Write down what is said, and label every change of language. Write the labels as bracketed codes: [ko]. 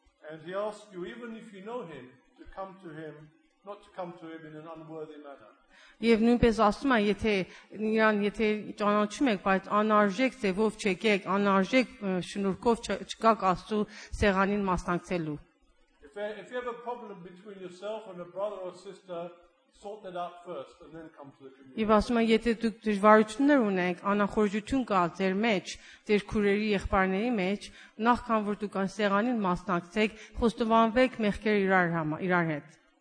[en] and he asks you even if you know him to come to him not to come to him in an unworthy manner [hy] Եվ նույնպես ասում է, եթե նրան, եթե ճանաչում եք, բայց անարժեք ձևով չեկեք, անարժեք շնորհքով չգաք Աստծո սեղանին մասնակցելու։ [en] If you have a problem between yourself and a brother or sister, sort that out first and then come to the community. [hy] Եվ ասում է, եթե դուք դժվարություններ ունեք, անախորժություն կա ձեր մեջ, ձեր քույրերի եղբայրների մեջ, նախքան որ դուք այս սեղանին մասնակցեք, խոստովանվեք մեղքեր իրար հետ։